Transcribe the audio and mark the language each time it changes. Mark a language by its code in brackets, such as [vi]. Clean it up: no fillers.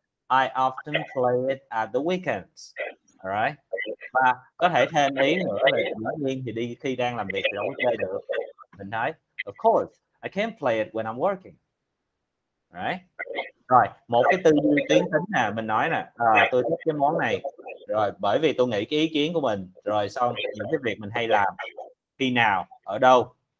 [en] I often play it at the weekends. Alright. [vi] Và có thể thêm ý nữa là nói riêng thì đi khi đang làm việc thì đâu có chơi được. Mình nói, [en] of course, I can't play it when I'm working. Right? [vi] Rồi, một cái tư duy tiến tính nè, mình nói nè, tôi thích cái món này. Rồi, bởi vì tôi nghĩ cái ý kiến của mình, rồi xong những cái việc mình hay làm, khi nào, ở đâu.